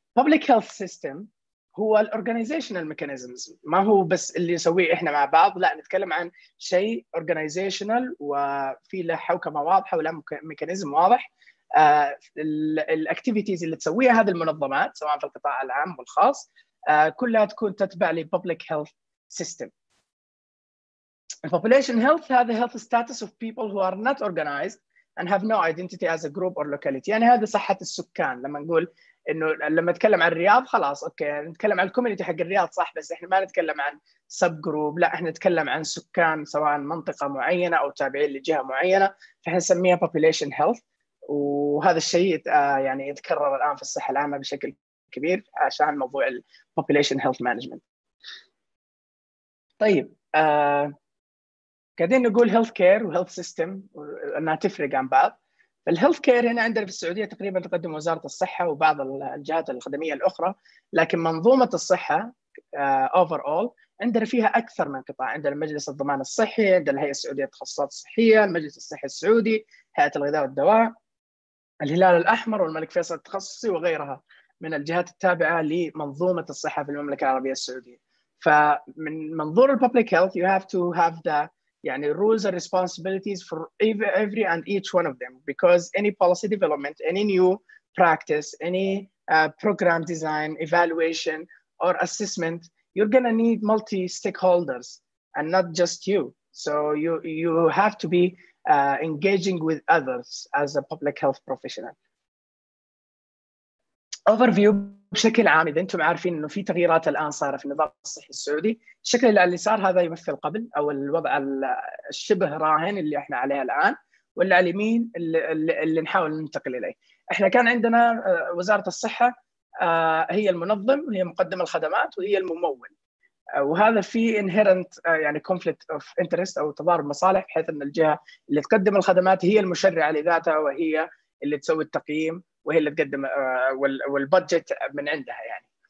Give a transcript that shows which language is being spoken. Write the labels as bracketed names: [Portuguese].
[Arabic] Public health system هو organizational mechanisms، ما هو بس اللي نسويه إحنا مع بعض، لا، نتكلم عن شيء organizational وفي له حوكمة واضحة ولا ميكانيزم واضح. الactivities اللي تسويها هذه المنظمات سواء في القطاع العام والخاص كلها تكون تتبع لـ public health system. [English] Population health have the health status of people who are not organized and have no identity as a group or locality. [Arabic] يعني هذا صحة السكان، لما نقول إنه لما نتكلم عن الرياض خلاص أوكي نتكلم عن الكوميونتي حق الرياض صح، بس إحنا ما نتكلم عن سب جروب، لا، إحنا نتكلم عن سكان سواء منطقة معينة أو تابعين لجهة معينة، فإحنا نسميها population health. وهذا الشيء يعني يتكرر الآن في الصحة العامة بشكل كبير عشان موضوع الـ population health management. طيب قاعدين نقول health care و health system أنها تفرق عن بعض. الهيلث كير هنا عندنا في السعودية تقريبا تقدم وزارة الصحة وبعض الجهات الخدمية الأخرى، لكن منظومة الصحة overall عندنا فيها أكثر من قطاع، عندنا مجلس الضمان الصحي، عندنا الهيئة السعودية للتخصصات الصحية، المجلس الصحي السعودي، هيئة الغذاء والدواء، الهلال الأحمر والملك فيصل التخصصي وغيرها من الجهات التابعة لمنظومة الصحة في المملكة العربية السعودية. فمن منظور [English] الpublic health you have to have the يعني rules and responsibilities for every and each one of them, because any policy development, any new practice, any program design, evaluation or assessment, you're going to need multi-stakeholders and not just you. So you have to be engaging with others as a public health professional. [Arabic] Overview بشكل عام، إذا أنتم عارفين إنه في تغييرات الآن صار في النظام الصحي السعودي، الشكل اللي صار هذا يمثل قبل أو الوضع الشبه راهن اللي إحنا عليه الآن، واللي على اليمين اللي نحاول ننتقل إليه. إحنا كان عندنا وزارة الصحة هي المنظم، هي مقدم الخدمات، وهي الممول، وهذا في inherent يعني conflict of interest أو تضارب مصالح، بحيث إن الجهة اللي تقدم الخدمات هي المشرعة لذاتها، وهي اللي تسوي التقييم، وهي اللي تقدم والبادجت من عندها يعني.